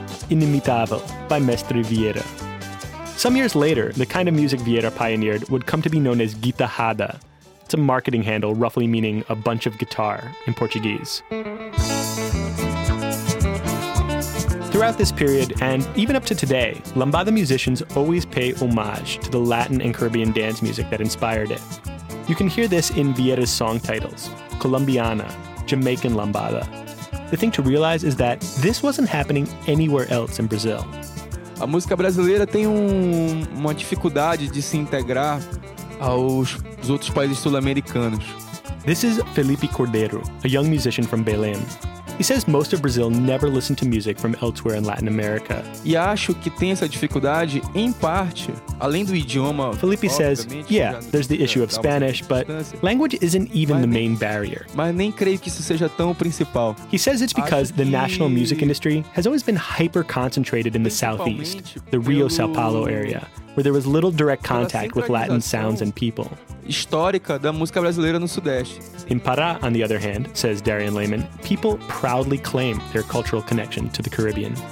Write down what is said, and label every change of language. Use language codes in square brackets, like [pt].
[en] Inimitável by Mestre Vieira. Some years later, the kind of music Vieira pioneered would come to be known as guitarrada. It's a marketing handle roughly meaning a bunch of guitar in Portuguese. Throughout this period, and even up to today, lambada musicians always pay homage to the Latin and Caribbean dance music that inspired it. You can hear this in Vieira's song titles, Colombiana, Jamaican Lambada. The thing to realize is that this wasn't happening anywhere else in Brazil. [pt] A música brasileira tem uma dificuldade de se integrar aos outros países sul-americanos. [en] This is Felipe Cordeiro, a young musician from Belém. He says most of Brazil never listened to music from elsewhere in Latin America. [pt] E acho que tem essa dificuldade em parte, além do idioma. [en] Felipe says, yeah, there's the issue of Spanish, but language isn't even the main barrier. [pt] Mas nem creio que isso seja tão principal. [en] He says it's because the national music industry has always been hyper-concentrated in the southeast, the Rio-São Paulo area, where there was little direct contact with Latin sounds and people. [pt] histórica da música brasileira no Sudeste. [en] In Pará, on the other hand, says Darian Lehman, people proudly claim their cultural connection to the Caribbean.